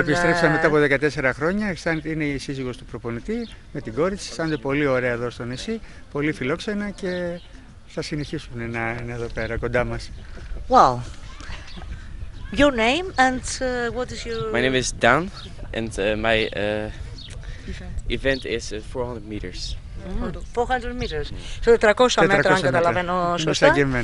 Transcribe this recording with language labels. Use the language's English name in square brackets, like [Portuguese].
[Greek] Επιστρέψαμε μετά από 14 χρόνια. Είναι η σύζυγος του προπονητή με την κόρη της. Αισθάνεται πολύ ωραία εδώ στο νησί. Πολύ φιλόξενα και θα συνεχίσουν να είναι εδώ πέρα κοντά μας. [English] Wow. Your name and what is your... My name is Dan and my event is 400 meters. Mm. 400 meters. Mm. [Greek] Σε 400 μέτρα, αν καταλαβαίνω σωστά.